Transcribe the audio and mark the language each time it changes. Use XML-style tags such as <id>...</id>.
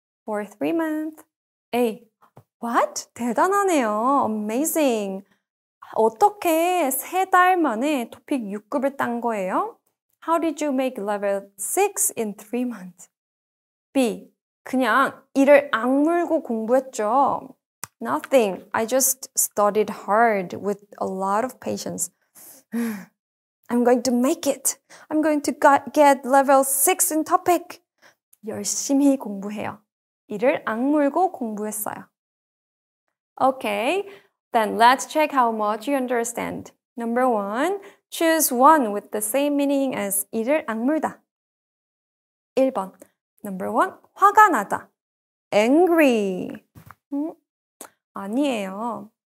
<en>For 3 months. A, What?</en> <ko>대단하네요.</ko> <en>Amazing.</en> <ko>어떻게 세 달 만에 토픽 6급을 딴 거예요?</ko> <en>How did you make level 6 in 3 months? B.</en> <ko>그냥 이를 악물고 공부했죠.</ko> <en>Nothing. I just studied hard with a lot of patience. I'm going to make it. I'm going to get level 6 in topic.</en> <ko>열심히 공부해요. 이를 악물고 공부했어요.</ko> <en>Okay, then let's check how much you understand. Number one, choose one with the same meaning as 이를 악물다.</en> <ko>1번,</ko> <en>number one,</en> <ko>화가 나다. Angry. 아니에요.</ko>